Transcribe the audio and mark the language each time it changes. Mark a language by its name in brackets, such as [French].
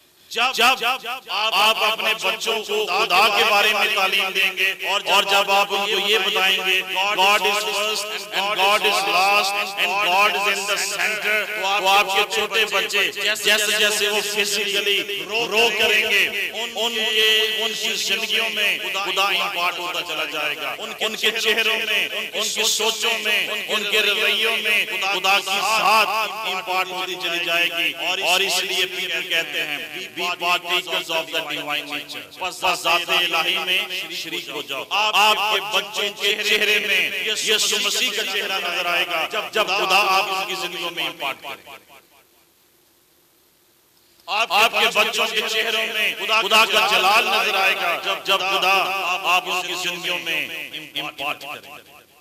[Hindi] जब आप अपने बच्चों को खुदा के बारे में तालीम देंगे और जब आप उनको ये बताएंगे [English] God is first and God is last and God is in the centre, [Hindi] तो आपके छोटे बच्चे जैसे जैसे वो फिजिकली ग्रो करेंगे उनके उनकी जिंदगियों में खुदा इम्पार्ट होता चला जाएगा. उनके चेहरों में, उनकी सोचों में, उनके रवैयों में खुदा की साथ इम्पार्ट होती चली जाएगी. और इसलिए पीटर कहते हैं [English] Be partakers of the divine nature. [Hindi] बस जाते इलाही में शरीक हो जाओ. आपके बच्चों के चेहरे में यीशु मसीह का चेहरा नजर आएगा जब खुदा आप उनकी जिंदगियों में इम्पार्ट करे. आपके बच्चों के चेहरों में खुदा का जलाल नजर आएगा जब खुदा आप उनकी जिंदगियों में इम्पार्ट करे.